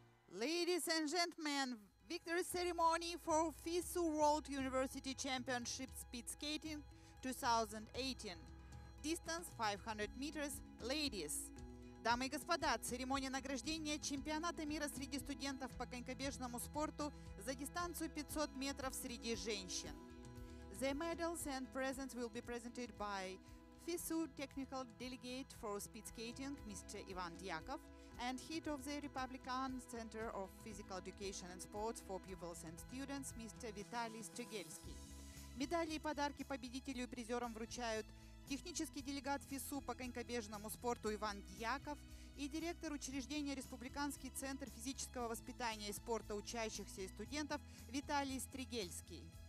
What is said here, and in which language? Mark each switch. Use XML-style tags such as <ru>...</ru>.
<en>Ladies and gentlemen, victory ceremony for FISU World University Championship Speed Skating 2018. Distance 500 meters, ladies.</en> <ru>Дамы и господа, церемония награждения чемпионата мира среди студентов по конькобежному спорту за дистанцию 500 метров среди женщин.</ru> <en>The medals and presents will be presented by FISU Technical Delegate for Speed Skating, Mr. Ivan Diakov, and head of the Republican Center of Physical Education and Sports for Pupils and Students, Mr. Vitaly Strigelsky.</en> <ru>Медали и подарки победителю и призерам вручают технический делегат ФИСУ по конькобежному спорту Иван Дьяков и директор учреждения Республиканский Центр физического воспитания и спорта учащихся и студентов Виталий Стригельский.</ru>